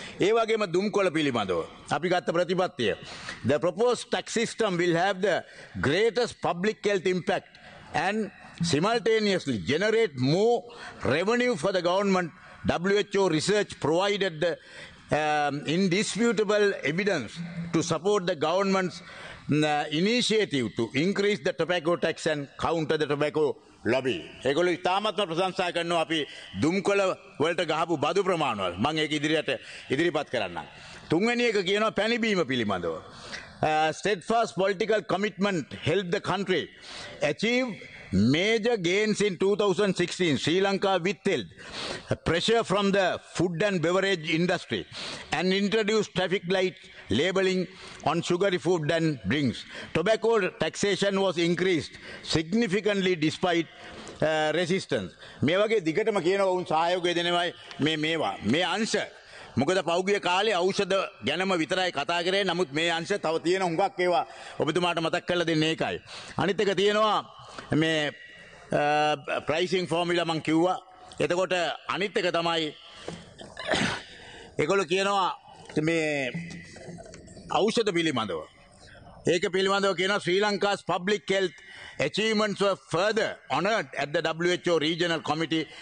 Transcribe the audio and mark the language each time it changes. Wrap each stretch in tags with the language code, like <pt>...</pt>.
<si>ඒ වගේම දුම්කොළ පිළිබඳව අපි ගත්ත ප්‍රතිපත්තිය</si> <en>the proposed tax system will have the greatest public health impact and simultaneously generate more revenue for the government. WHO research provided the indisputable evidence to support the government's initiative to increase the tobacco tax and counter the tobacco lobby.</en> <si>ඒගොල්ලෝ ඉතාමත්ම ප්‍රශංසා කරනවා අපි දුම්කොළ වලට ගහපු බදු ප්‍රමාණවල. මම ඒක ඉදිරිපත් කරන්නම්. තුන්වෙනි එක කියනවා පැණිබීම පිළිබඳව.</si> <en>Steadfast political commitment helped the country achieve major gains in 2016 Sri Lanka withheld pressure from the food and beverage industry and introduced traffic light labeling on sugary food and drinks. Tobacco taxation was increased significantly despite resistance.</en> <si>මේ වගේ දිගටම කියනවා උන් සහයෝගය දෙනවයි මේ මේවා මේ අංශ. මොකද පෞගිය කාලේ ඖෂධ ගැනම විතරයි කතා කරේ. නමුත් මේ අංශ තව තියෙන හුඟක් ඒවා ඔබතුමාට මතක් කරලා දෙන්නේ ඒකයි. අනිත් එක තියෙනවා මේ</si> <en>pricing formula</en> <si>මං කිව්වා. එතකොට අනිත් එක තමයි ඒගොල්ලෝ කියනවා මේ ඖෂධ පිළිබඳව. ඒක පිළිබඳව කියනවා</si> <en>Sri Lanka's public health achievements were further honored at the WHO regional committee.</en>